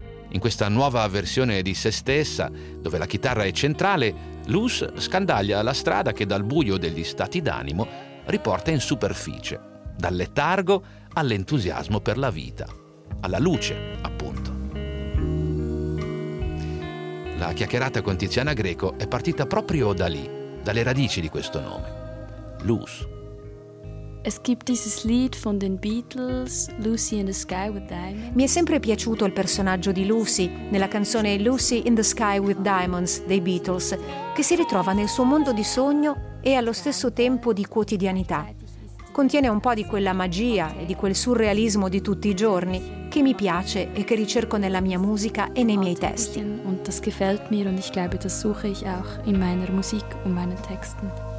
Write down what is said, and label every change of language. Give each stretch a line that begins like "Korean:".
Italian: In questa nuova versione di se stessa, dove la chitarra è centrale, Luz scandaglia la strada che dal buio degli stati d'animo riporta in superficie, dal letargo all'entusiasmo per la vita, alla luce, appunto. La chiacchierata con Tiziana Greco è partita proprio da lì, dalle radici di questo nome, Luz.
German: Es gibt dieses Lied von den Beatles, Lucy in the Sky with Diamonds.
Italian: Mi è sempre piaciuto il personaggio di Lucy nella canzone Lucy in the Sky with Diamonds dei Beatles, che si ritrova nel suo mondo di sogno e allo stesso tempo di quotidianità. Contiene un po' di quella magia e di quel surrealismo di tutti i giorni che mi piace e che ricerco nella mia musica e nei miei testi.
German: Und das gefällt mir und ich glaube, das suche ich auch in meiner Musik und meinen Texten.